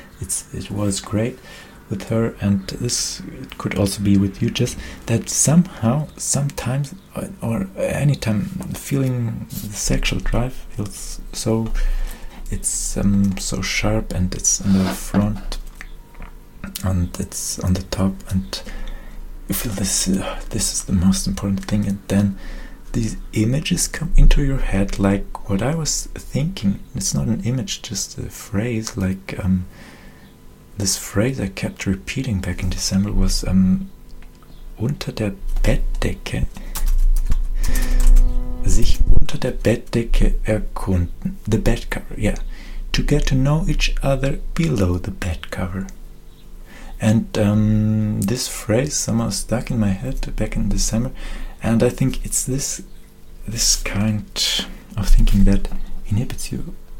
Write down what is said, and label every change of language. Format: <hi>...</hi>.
<en>It was great with her, and this it could also be with you, just that somehow, sometimes, or anytime, feeling the sexual drive feels so, so sharp, and it's in the front, and it's on the top, and you feel this is the most important thing, and then these images come into your head, like what I was thinking. It's not an image, just a phrase, like, this phrase I kept repeating back in December was,</en> <de>unter der Bettdecke sich unter der Bettdecke erkunden.</de> <en>The bed cover, yeah. To get to know each other below the bed cover. And this phrase somehow stuck in my head back in December, and I think it's this kind of thinking that inhibits you.</en>